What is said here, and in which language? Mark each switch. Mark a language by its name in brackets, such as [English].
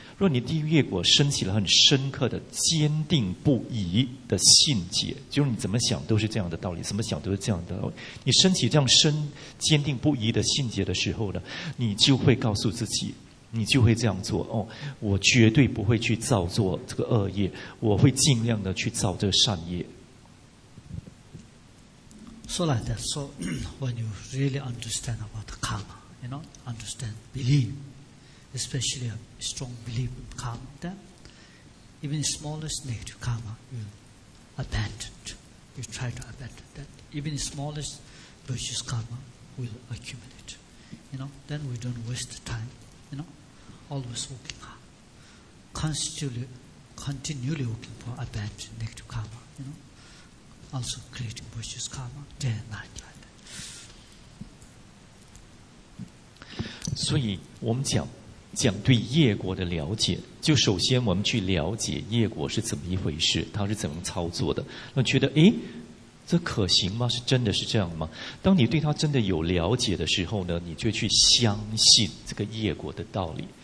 [Chinese] 若你对业果升起了很深刻的坚定不移的信解，就是你怎么想都是这样的道理，怎么想都是这样的道理，你升起这样深坚定不移的信解的时候呢，你就会告诉自己，你就会这样做哦，我绝对不会去造作这个恶业，我会尽量的去造这个善业。 [English] So like that, so when you really understand about the karma, you know, understand, believe, especially a strong belief in karma, then even the smallest negative karma, you abandon, you try to abandon that. Even the smallest virtuous karma will accumulate. you know, then we don't waste time, you know, always working hard, continually working for abandoned negative karma, you know, also creating virtuous karma day and night like that. [Chinese] 所以我们讲对业果的了解，就首先我们去了解业果是怎么一回事，它是怎么操作的。那觉得诶，这可行吗？是真的是这样吗？当你对它真的有了解的时候呢，你就去相信这个业果的道理。